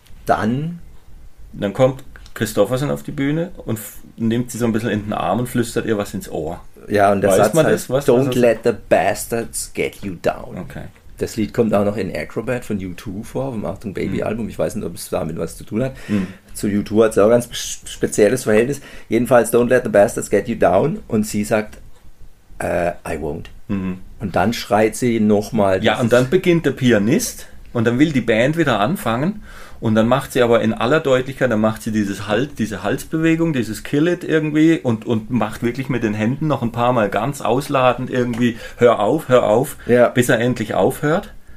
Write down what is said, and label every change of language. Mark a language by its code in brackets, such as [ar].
[de] dann kommt Kristofferson auf die Bühne und nimmt sie so ein bisschen in den Arm und flüstert ihr was ins Ohr. Ja, und der Satz heißt, [en] don't let the bastards get you down. [de] Okay. Das Lied kommt auch noch in Acrobat von U2 vor, vom Achtung Baby Album. Ich weiß nicht, ob es damit was zu tun hat. Mhm. Zu U2 hat es auch ein ganz spezielles Verhältnis. Jedenfalls, [en] don't let the bastards get you down. [de] Und sie sagt, [en] I won't. [de] Mhm. Und dann schreit sie nochmal. Ja, und dann beginnt der Pianist und dann will die Band wieder anfangen Und dann macht sie aber in aller Deutlichkeit, dann macht sie dieses Halt, diese Halsbewegung, dieses Kill it irgendwie und macht wirklich mit den Händen noch ein paar Mal ganz ausladend irgendwie, hör auf, ja, bis er endlich aufhört.